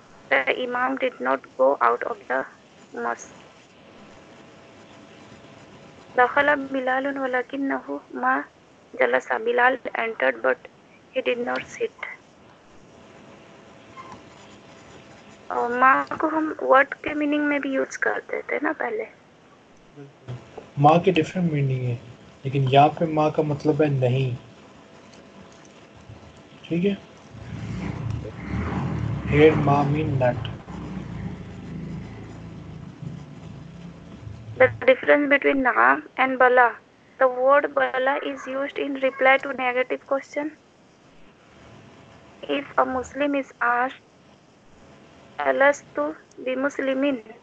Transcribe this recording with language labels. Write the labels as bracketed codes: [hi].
[en] The Imam did not go out of the mosque. [ar] دخل بلال ولكنه ما جلس. [en] Bilal entered but he did not sit. [ur] ماں کو ہم word کے میننگ میں بھی یوز کرتے تھے نا پہلے، ماں کے ڈفرینٹ میننگ ہیں، لیکن یہاں پہ ماں کا مطلب ہے نہیں، ٹھیک ہے؟ Head ma mean nut. [en] The difference between naam and bala. The word bala is used in reply to negative question. If a Muslim is asked, [ar] Alastu bi Muslimin?